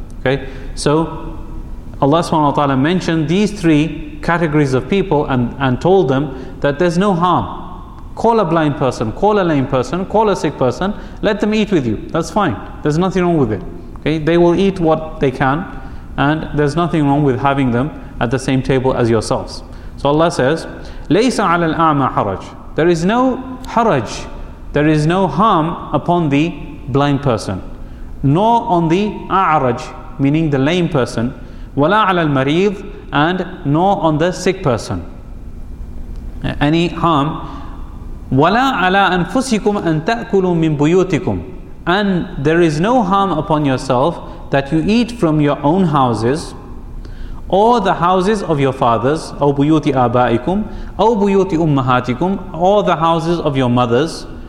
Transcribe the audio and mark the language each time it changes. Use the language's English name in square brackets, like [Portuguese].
[English] Okay, so Allah subhanahu wa ta'ala mentioned these three categories of people and told them that there's no harm. Call a blind person, call a lame person, call a sick person, let them eat with you. That's fine. There's nothing wrong with it. Okay, they will eat what they can, and there's nothing wrong with having them at the same table as yourselves. So Allah says, [Arabic] لَيْسَ عَلَى الْأَعْمَى حَرَجٌ. [English] There is no haraj, there is no harm upon the blind person, nor on the a'raj, meaning the lame person, [Arabic] وَلَا عَلَى الْمَرِيضِ, [English] and nor on the sick person. Any harm, [Arabic] وَلَا عَلَى أَنفُسِكُمْ أَن تَأْكُلُوا مِن بُيُوتِكُمْ, [English] and there is no harm upon yourself that you eat from your own houses, or the houses of your fathers, [Arabic] أو بيوت آبائكم, أو بيوت أمهاتكم, [English] or the houses of your mothers,